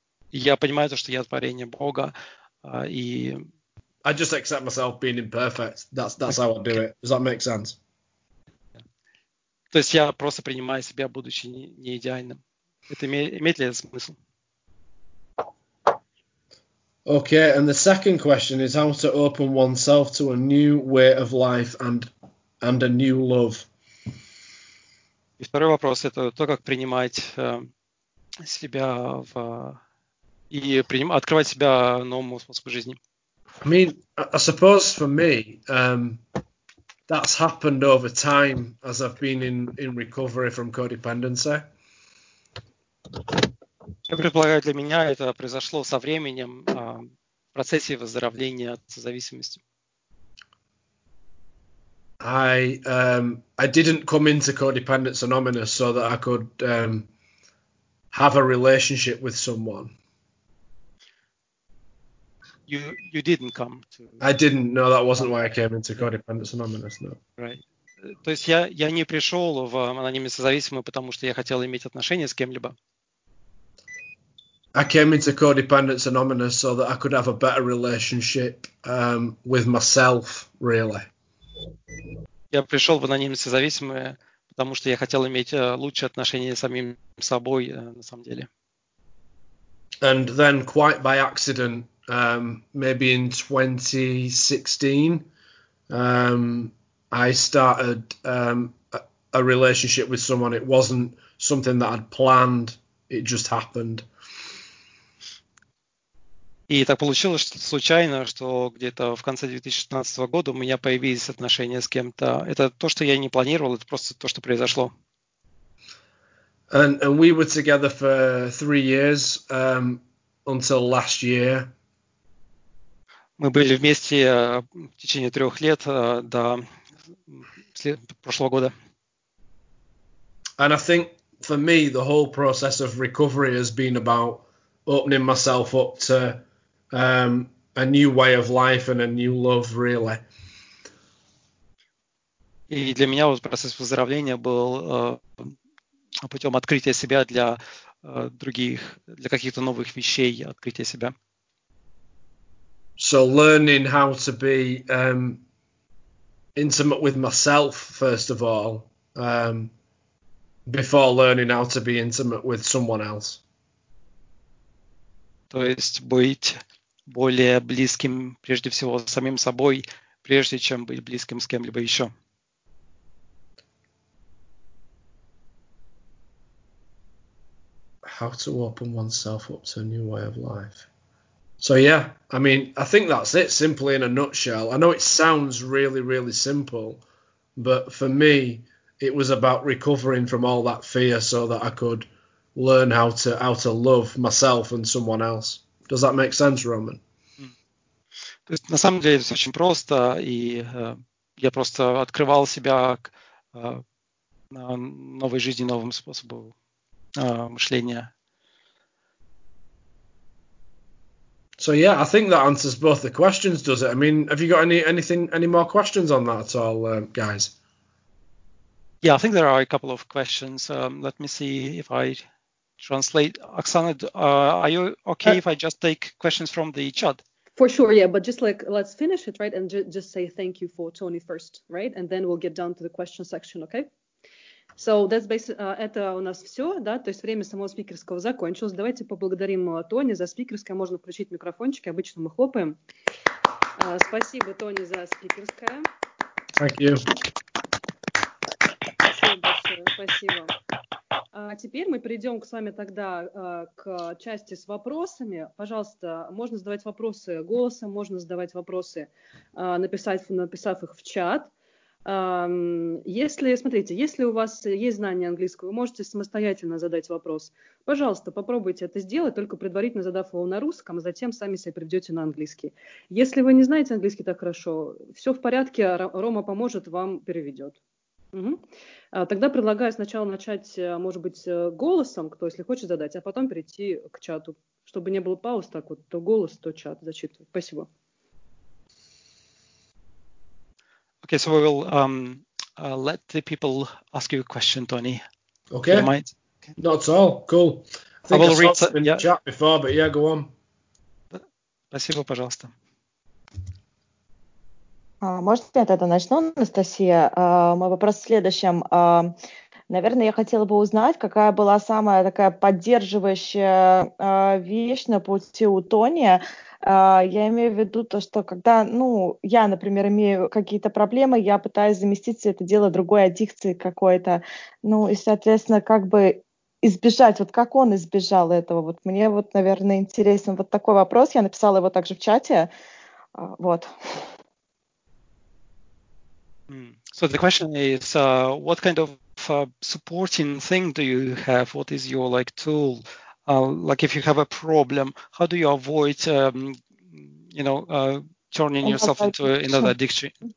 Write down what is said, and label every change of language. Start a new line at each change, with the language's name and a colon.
Russian: Я понимаю то, что я творение Бога, и
English: I just accept myself being imperfect. That's how I do it. Does that make sense?
Russian: То есть я просто принимаю себя, будучи не идеальным. Это имеет ли это смысл?
English: Okay, and the second question is how to open oneself to a new way of life and a new love.
Russian: И второй вопрос — это то, как принимать себя в и открывать себя новому способу жизни.
English: I mean, I suppose for me, that's happened over time as I've been in recovery from codependency.
Russian: Я предполагаю, для меня это произошло со временем в процессе выздоровления от зависимости.
English: I didn't come into Codependence Anonymous so that I could have a relationship with someone. You didn't come to. I didn't. No, that wasn't why I came into Codependence Anonymous. No. Right.
Russian: То есть я не пришел в анонимные созависимые, потому что я хотел иметь отношения с кем-либо.
English: I came into Codependence Anonymous so that I could have a better relationship with myself, really.
Russian: Я пришел в анонимные созависимые, потому что я хотел иметь лучшие отношения с самим собой, на самом деле.
English: And then, quite by accident, maybe in 2016, I started a relationship with someone. It wasn't something that I'd planned. It just happened.
Russian: И так получилось, что случайно, что где-то в конце 2016 года у меня появились отношения с кем-то. Это то, что я не планировал, это просто то, что произошло.
English: And we were together for 3 years until last year.
Russian: Мы были вместе в течение 3 лет до прошлого года.
English: And I think for me the whole process of recovery has been about opening myself up to a new way of life and a new love, really.
Russian: И для меня вот процесс выздоровления был путем открытия себя для других, для каких-то новых вещей, открытия себя.
English: So learning how to be intimate with myself, first of all, before learning how to be intimate with someone else.
Russian: То есть быть более близким, прежде всего, с самим собой, прежде чем быть близким с кем-либо еще.
English: How to open oneself up to a new way of life. So, yeah, I mean, I think that's it, simply in a nutshell. I know it sounds really, really simple, but for me, it was about recovering from all that fear so that I could learn how to love myself and someone else. Does that make sense, Roman?
Russian: То есть на самом деле все очень просто, и я просто открывал себя к новой жизни, новому способу мышления.
English: So yeah, I think that answers both the questions, does it? I mean, have you got any more questions on that at all, guys? Yeah, I think there are a couple of questions. Let me see if I translate. Oksana, are you okay if I just take questions from the chat? For sure, yeah, but just like, let's finish it, right? And just say thank you for Tony first, right? And then we'll get down to the question section, okay? So that's
Russian: это у нас все, да, то есть время самого спикерского закончилось. Давайте поблагодарим Тони за спикерское. Можно включить микрофончики, обычно мы хлопаем. Спасибо, Тони, за спикерское.
English: Thank you.
Russian: Спасибо большое, спасибо. Теперь мы перейдем с вами тогда к части с вопросами. Пожалуйста, можно задавать вопросы голосом, можно задавать вопросы, написав их в чат. Если у вас есть знание английского, вы можете самостоятельно задать вопрос. Пожалуйста, попробуйте это сделать, только предварительно задав его на русском, а затем сами себя приведете на английский. Если вы не знаете английский так хорошо, все в порядке, Рома поможет, вам переведет. Угу. Тогда предлагаю сначала начать, может быть, голосом, кто если хочет задать, а потом перейти к чату, чтобы не было пауз, так вот, то голос, то чат зачитывать. Спасибо.
English: Okay, so we will let the people ask you a question, Tony. Okay. You might. Okay. Not at all. Cool. I think I saw it in chat before, but yeah, go on.
Russian: Спасибо, пожалуйста. Может, я тогда начну, Анастасия? Мой вопрос в следующем. Наверное, я хотела бы узнать, какая была самая такая поддерживающая вещь на пути у Тони. Я имею в виду то, что когда, ну, я, например, имею какие-то проблемы, я пытаюсь заместить это дело другой аддикцией какой-то. Ну, и, соответственно, как бы избежать, вот как он избежал этого? Вот мне вот, наверное, интересен вот такой вопрос. Я написала его также в чате. Вот.
English: So the question is, what kind of supporting thing do you have? What is your like tool? Like if you have a problem, how do you avoid, turning yourself into another addiction?